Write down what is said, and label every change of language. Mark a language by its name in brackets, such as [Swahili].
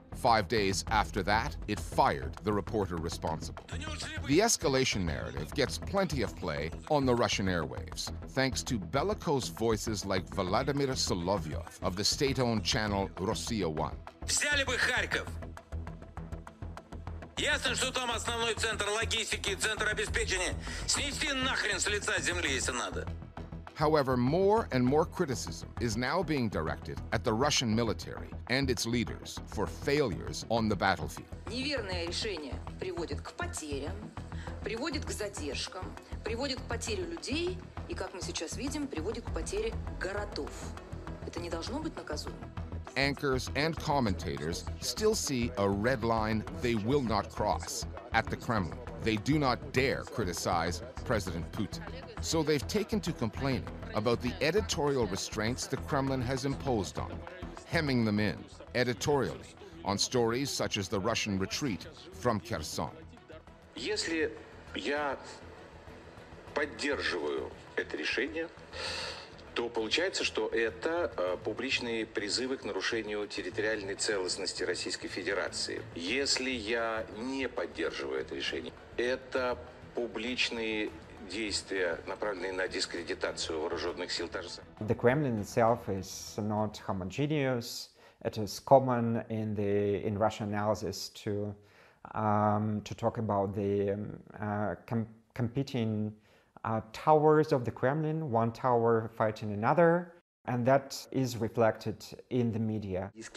[English] 5 days after that, it fired the reporter responsible. The escalation narrative gets plenty of play on the Russian airwaves, thanks to bellicose voices like Vladimir Solovyov of the state-owned channel Russia One. [Russian] Взяли бы Харьков. Ясно, что там основной центр логистики, центр обеспечения. Снести нахрен с лица земли, если надо. [English] However, more and more criticism is now being directed at the Russian military and its leaders for failures on the battlefield. [Russian] Неверное решение приводит к потерям, приводит к задержкам, приводит к потере людей и, как мы сейчас видим, приводит к потере городов. Это не должно быть наказуемо. [English] Anchors and commentators still see a red line they will not cross at the Kremlin. They do not dare criticize President Putin. So they've taken to complaining about the editorial restraints the Kremlin has imposed on, hemming them in, editorially, on stories such as the Russian retreat from Kherson. [Russian] Если я поддерживаю это решение, то получается, что это публичные призывы к нарушению территориальной целостности Российской Федерации. Если я не поддерживаю это решение, это публичные действия, направленные на дискредитацию вооруженных сил. [English] The Kremlin itself is not homogeneous. It is common in the in Russian analysis to talk about the competing towers of the Kremlin, one tower fighting another, and that is reflected in the media.